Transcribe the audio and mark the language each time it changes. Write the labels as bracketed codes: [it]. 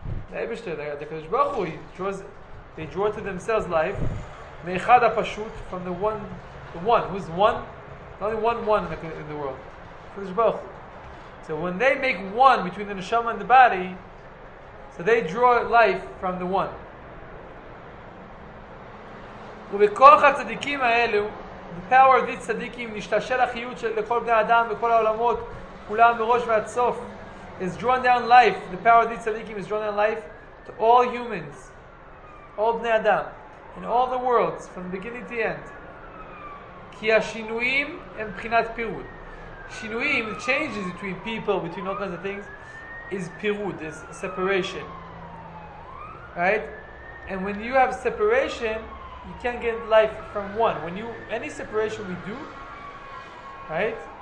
[en] The Ebishter, the Kadosh Baruch Hu, they draw to themselves life, [he] Meichad HaPashut, [en] from the one, who's one? There's only one in the world, Kadosh Baruch Hu. So when they make one between the neshama and the body, so they draw life from the one. [he] ובכוח הצדיקים האלו, [en] the power of these tzaddikim, [he] נשתשל החיות לכל בני אדם וכל העולמות, כולם מראש ועד סוף, [en] is drawn down life. The power of these tzaddikim is drawn down life to all humans, all bnei adam, and all the worlds from the beginning to the end. [he] כי השינויים הם בחינת פירוד. [en] Shinuim, the changes between people, between all kinds of things, is pirud, is separation. Right? And when you have separation, you can't get life from one. When you, any separation we do, right?